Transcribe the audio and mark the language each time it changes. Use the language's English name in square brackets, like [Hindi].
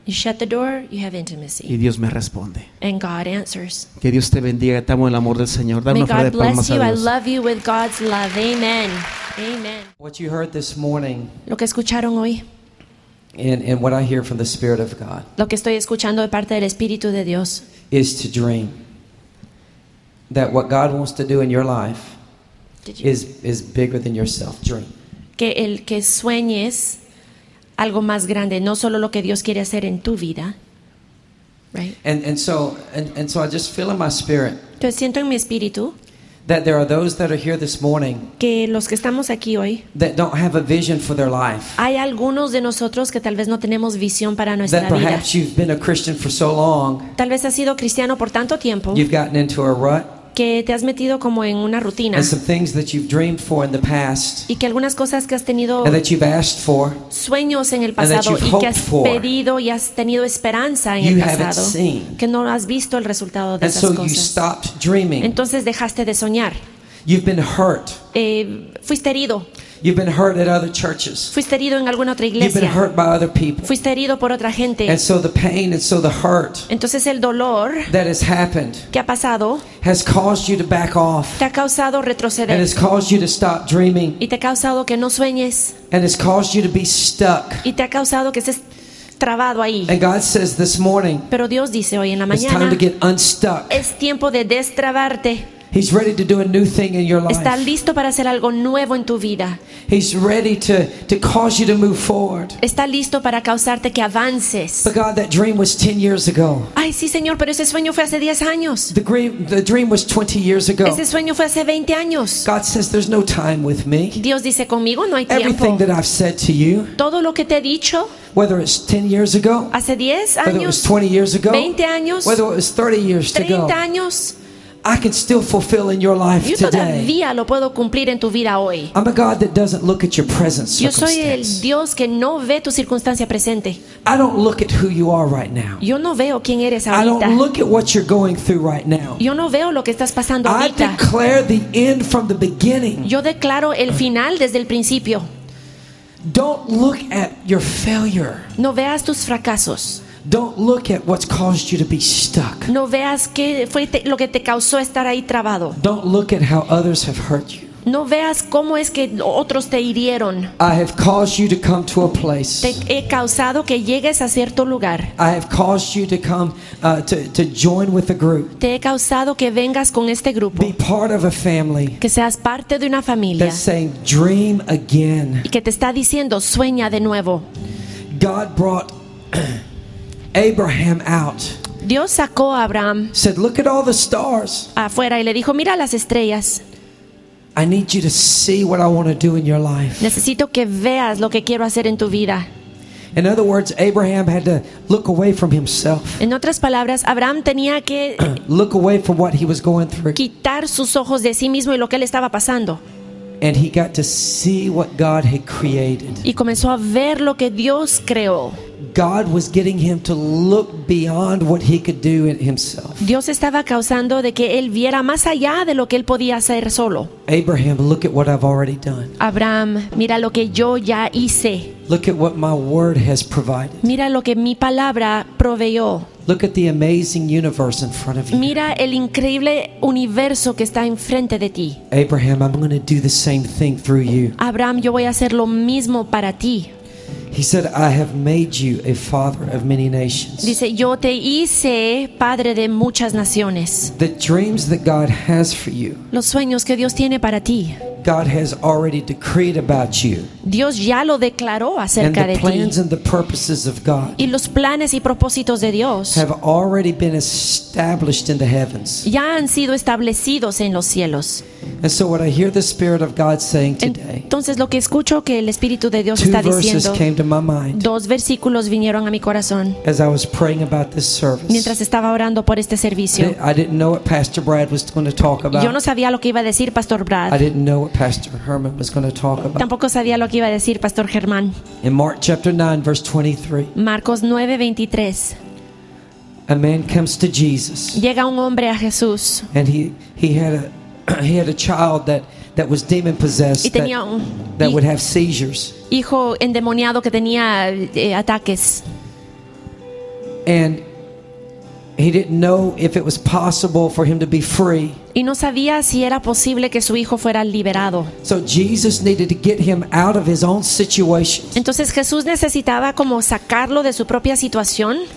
[English] You shut the door, you have intimacy. [Spanish] Y Dios me responde. [English] And God answers. [Spanish] Que Dios te bendiga. Te amo en el amor del Señor. Dame [English] May God [Spanish] de palmas [English] bless you. [Spanish] A Dios. [English] I love you with God's love. Amen. Amen. What you heard this morning. [Spanish] Lo que escucharon hoy. [English] And what I hear from the Spirit of God. [Spanish] Lo que estoy escuchando de parte del Espíritu de Dios. [English] Is to dream. That what God wants to do in your life. Is bigger than yourself. Dream. [Spanish] Que el que sueñes algo más grande, no solo lo que Dios quiere hacer en tu vida. [English] Right. And so I just feel in my spirit. [Spanish] Yo siento en mi espíritu. [English] That there are those that are here this morning. [Spanish] Que los que estamos aquí hoy. [English] That don't have a vision for their life. [Spanish] Hay algunos de nosotros que tal vez no tenemos visión para nuestra [English] that perhaps Perhaps you've been a Christian for so long. [Spanish] Tal vez has sido cristiano por tanto tiempo. [English] You've gotten into a rut. [Spanish] Que te has metido como en una rutina. [English] And some things that you've dreamed for in the past. [Spanish] Y que algunas cosas que has tenido. [English] And that you've asked for. [Spanish] Sueños en el pasado. [English] And that you've hoped [Spanish] y que has [English] for, [Spanish] pedido y has tenido esperanza en [English] you [Spanish] el pasado. [English] Haven't seen. [Spanish] Que no has visto el resultado de [English] and [Spanish] esas [English] so [Spanish] cosas. [English] You stopped dreaming. [Spanish] Entonces dejaste de soñar. [English] You've been hurt. [Spanish] Fuiste herido. [English] You've been hurt at other churches. [Spanish] Fuiste herido en alguna otra iglesia. [English] You've been hurt by other people. [Spanish] Fuiste herido por otra gente. [English] And so the pain and so the hurt. [Spanish] Entonces el dolor [English] that has happened [Spanish] que ha pasado [English] has caused you to back off. [Spanish] Te ha causado retroceder. [English] And has caused you to stop dreaming. [Spanish] Y te ha causado que no sueñes. [English] And has caused you to be stuck. [Spanish] Y te ha causado que estés trabado ahí. [English] And God says this morning. [Spanish] Pero Dios dice hoy en la mañana. [English] It's time to get unstuck. [Spanish] Es tiempo de destrabarte. [English] He's ready to do a new thing in your life. [Spanish] Está listo para hacer algo nuevo en tu vida. [English] He's ready to cause you to move forward. [Spanish] Está listo para causarte que avances. [English] But God, that dream was 10 years ago. [Spanish] Ay, sí, Señor, pero ese sueño fue hace 10 años. [English] The dream was 20 years ago. [Spanish] Ese sueño fue hace 20 años. [English] God says there's no time with me. [Spanish] Dios dice conmigo no hay tiempo. [English] Everything that I've said to you. [Spanish] Todo lo que te he dicho. [English] Whether it's 10 years ago. [Spanish] Hace 10 años. [English] Whether it was 20 years ago. [Spanish] 20 años. [English] Whether it was 30 years ago. [Spanish] 30 años. [English] I can still fulfill in your life today. [Spanish] Yo todavía lo puedo cumplir en tu vida hoy. [English] I'm a God that doesn't look at your present circumstance. [Spanish] Yo soy el Dios que no ve tu circunstancia presente. [English] I don't look at who you are right now. [Spanish] Yo no veo quién eres ahorita. [English] I don't look at what you're going through right now. [Spanish] Yo no veo lo que estás pasando ahorita. [English] I declare the end from the beginning. [Spanish] Yo declaro el final desde el principio. [English] Don't look at your failure. [Spanish] No veas tus fracasos. [English] Don't look at what's caused you to be stuck. [Spanish] No veas qué fue lo que te causó estar ahí trabado. [English] Don't look at how others have hurt you. [Spanish] No veas cómo es que otros te hirieron. [English] I have caused you to come to a place. [Spanish] Te he causado que llegues a cierto lugar. [English] I have caused you to come to join with a group. [Spanish] Te he causado que vengas con este grupo. [English] Be part of a family. [Spanish] Que seas parte de una familia. [English] That's saying dream again. [Spanish] Y que te está diciendo sueña de nuevo. [English] God brought Abraham out. [Spanish] Dios sacó a Abraham. [English] Said, "Look at all the stars." [Spanish] Afuera y le dijo, "Mira las estrellas." [English] I need you to see what I want to do in your life. [Spanish] Necesito que veas lo que quiero hacer en tu vida. [English] In other words, Abraham had to look away from himself. [Spanish] En otras palabras, Abraham tenía que [English] look away from what he was going through. [Spanish] Quitar sus ojos de sí mismo y lo que él estaba pasando. [English] And he got to see what God had created. [Spanish] Y comenzó a ver lo que Dios creó. [English] God was getting him to look beyond what he could do in himself. [Spanish] Dios estaba causando de que él viera más allá de lo que él podía hacer solo. [English] Abraham, look at what I've already done. [Spanish] Abraham, mira lo que yo ya hice. [English] Look at what my word has provided. [Spanish] Mira lo que mi palabra proveyó. [English] Look at the amazing universe in front of you. [Spanish] Mira el increíble universo que está enfrente de ti. [English] Abraham, I'm going to do the same thing through you. [Spanish] Abraham, yo voy a hacer lo mismo para ti. [English] He said, "I have made you a father of many nations." [Spanish] Dice, yo te hice padre de muchas naciones. [English] The dreams that God has for you. [Spanish] Los sueños que Dios tiene para ti. [English] God has already decreed about you. [Spanish] Dios ya lo declaró acerca de ti. [English] And the plans and the purposes of God. [Spanish] Y los planes y propósitos de Dios. [English] Have already been established in the heavens. [Spanish] Ya han sido establecidos en los cielos. [English] And so what I hear the Spirit of God saying today. [Spanish] Entonces lo que escucho que el Espíritu de Dios está diciendo. [English] Two verses came to my mind. [Spanish] Dos versículos vinieron a mi corazón. [English] As I was praying about this service. [Spanish] Mientras estaba orando por este servicio. [English] I didn't know what Pastor Brad was going to talk about. [Spanish] Yo no sabía lo que iba a decir Pastor Brad. [English] I didn't know what Pastor Herman was going to talk about. [Spanish] Tampoco sabía lo que iba a decir Pastor Germán. [English] In Mark chapter 9 verse 23. [Spanish] Marcos 9:23. [English] A man comes to Jesus. [Spanish] Llega un hombre a Jesús. [English] And he had a child that was demon possessed. [Spanish] Y tenía un [English] that would have seizures. [Spanish] Hijo endemoniado que tenía ataques. [English] And he didn't know if it was possible for him to be free. [Spanish] Y no sabía si era posible que su hijo fuera liberado. [English] So Jesus needed to get him out of his own situation. [Spanish] Entonces Jesús necesitaba como sacarlo de su propia situación.